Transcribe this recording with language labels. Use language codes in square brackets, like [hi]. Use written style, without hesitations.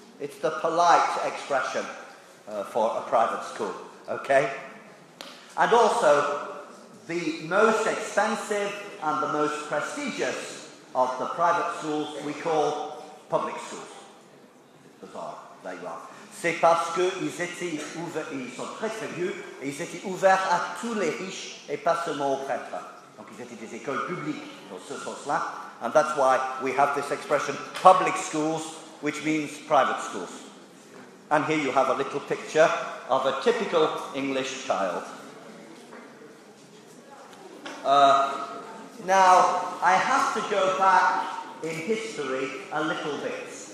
[en] It's the polite expression for a private school, okay? And also, the most expensive and the most prestigious of the private schools we call public schools. Bizarre, there you are. [fr] C'est parce qu'ils étaient ouverts, ils sont très très vieux, et ils étaient ouverts à tous les riches et pas seulement aux prêtres. Donc ils étaient des écoles publiques dans ce sens-là. [en] And that's why we have this expression, public schools, which means private schools. And here you have a little picture of a typical English child. Now, I have to go back in history a little bit.